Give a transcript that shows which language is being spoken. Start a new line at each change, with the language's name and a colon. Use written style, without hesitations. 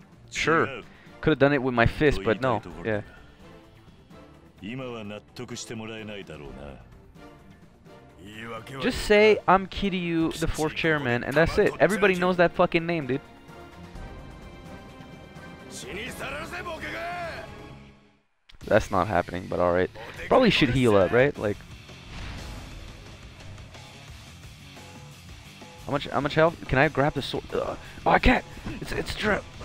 English: Sure. Could have done it with my fist, but no. Yeah.
Japanese: 今は納得してもらえないだろうな。
English: Just say I'm Kiryu, the fourth chairman, and that's it. Everybody knows that fucking name, dude. That's not happening, but alright. Probably should heal up, right? Like, how much health? Can I grab the sword? Ugh. Oh, I can't. It's trapped.